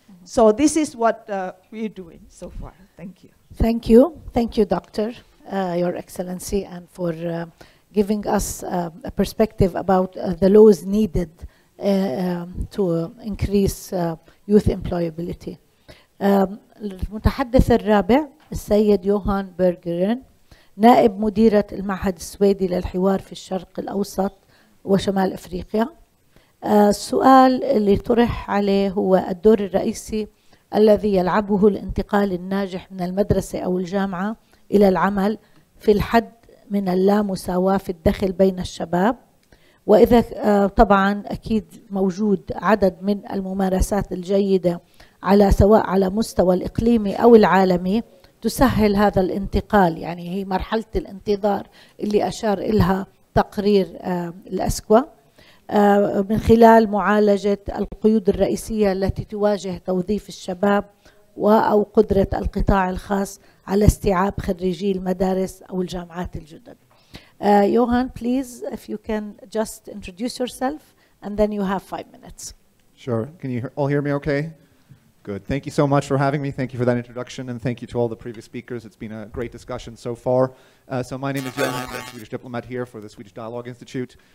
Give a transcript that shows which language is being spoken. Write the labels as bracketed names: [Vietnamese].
[English] So this is what we're doing so far. Thank you. Thank you. Thank you, Doctor, Your Excellency, and for giving us a perspective about the laws needed to increase youth employability. [Arabic] المتحدث الرابع السيد يوهان بيرغرين نائب مديرة المعهد السويدي للحوار في الشرق الأوسط وشمال أفريقيا. السؤال اللي طرح عليه هو الدور الرئيسي الذي يلعبه الانتقال الناجح من المدرسة أو الجامعة إلى العمل في الحد من اللامساواة في الدخل بين الشباب، وإذا طبعا أكيد موجود عدد من الممارسات الجيدة على سواء على مستوى الإقليمي أو العالمي تسهل هذا الانتقال، يعني هي مرحلة الانتظار اللي أشار إلها تقرير الأسكوا من خلال معالجة القيود الرئيسية التي تواجه توظيف الشباب أو قدرة القطاع الخاص على استيعاب خريجي المدارس أو الجامعات الجدد. [English] Johan, please, if you can just introduce yourself, and then you have 5 minutes. Sure. Can you all hear me okay? Good. Thank you so much for having me. Thank you for that introduction, and thank you to all the previous speakers. It's been a great discussion so far. So my name is Johan. I'm a Swedish diplomat here for the Swedish Dialogue Institute.